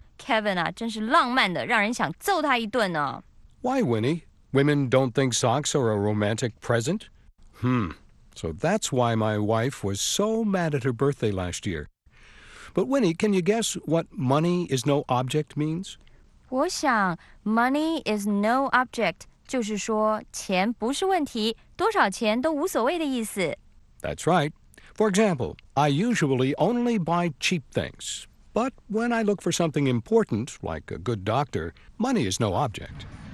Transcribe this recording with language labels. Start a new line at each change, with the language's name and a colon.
Chinese: Kevin 啊，真是浪漫的，让人想揍他一顿呢。
English: Why, Winnie? Women don't think socks are a romantic present? So that's why my wife was so mad at her birthday last year. But Winnie, can you guess what money is no object means?
Chinese: 我想
English: money is no object.
Chinese: 就是说钱不是问题，多少钱都无所谓的意思。
English: That's right. For example, I usually only buy cheap things. But when I look for something important, like a good doctor, money is no object.